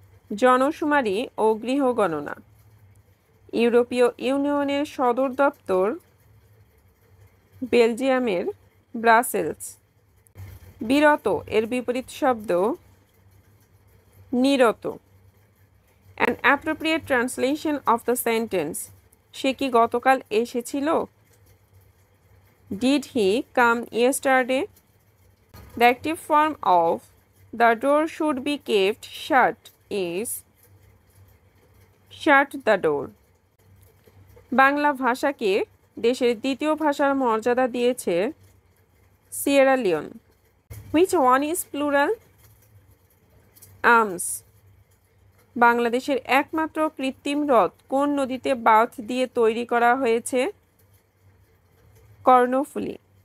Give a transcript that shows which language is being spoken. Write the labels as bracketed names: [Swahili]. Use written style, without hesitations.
[Bangla] জনশুমারি ও গৃহগণনা ইউরোপীয় ইউনিয়নের সদর দপ্তর বেলজিয়ামের ব্রাসেলস বিরত এর বিপরীত শব্দ নিরত [English] an appropriate translation of the sentence [Bangla] সে কি গতকাল এসেছিল [English] Did he come yesterday The active form of the door should be kept shut is shut the door. [Bangla] Bangla ভাষাকে দেশের দ্বিতীয় ভাষার মর্যাদা দিয়েছে Sierra Leone. [English] Which one is plural? Arms. [Bangla] বাংলাদেশের একমাত্র কৃত্রিম হ্রদ কোন নদীতে বাঁধ দিয়ে তৈরি করা হয়েছে? কর্ণফুলী.